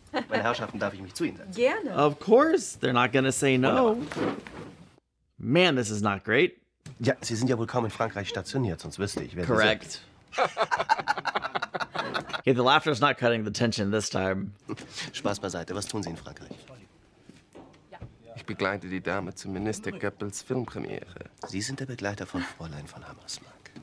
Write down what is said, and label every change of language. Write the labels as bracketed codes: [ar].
[de] Meine Herrschaften, darf ich mich zu Ihnen setzen? Gerne. [en] Of course, they're not gonna say no. Wunderbar. Man, this is not great. [de] Ja, Sie sind ja wohl kaum in Frankreich stationiert, sonst wüsste ich, wer [en] Correct. [de] Sie sind. [en] Okay, the laughter's not cutting the tension this time. [de] Spaß beiseite, was tun Sie in Frankreich? Ich begleite die Dame zum Minister Goebbels Filmpremiere. Sie sind der Begleiter von Fräulein von Hammersmark.